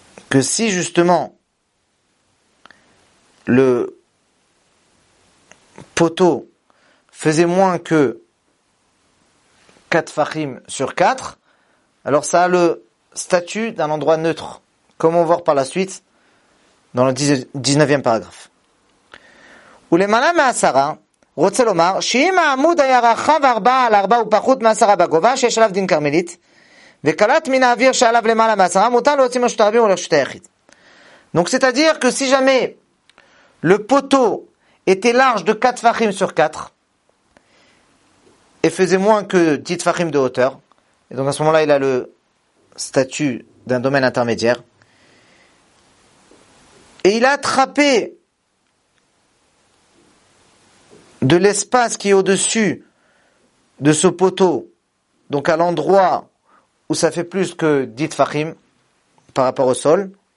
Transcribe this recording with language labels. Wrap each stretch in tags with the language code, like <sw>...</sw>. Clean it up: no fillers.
<fr>que si justement le poteau faisait moins que 4 fachim sur 4, alors ça a le statut d'un endroit neutre, comme on va voir par la suite dans le 19e paragraphe.</fr> <he>ולמעלה מהעשרה, רוצה לומר, שאם העמוד היה רחב ארבע על ארבע ופחות מהעשרה בגובה, שיש עליו דין קרמלית, וקלט מן האוויר שעליו למעלה מהעשרה, מותר להוציא מרשות הרבים ולרשות היחיד.</he> <fr>Donc c'est-à-dire que si jamais le poteau était large de 4 fachim sur 4, et faisait moins que 10 fachim de hauteur, et donc à ce moment-là il a le statut d'un domaine intermédiaire, et il a attrapé de l'espace qui est au-dessus de ce poteau, donc à l'endroit où ça fait plus que 10 fachim par rapport au sol,</fr>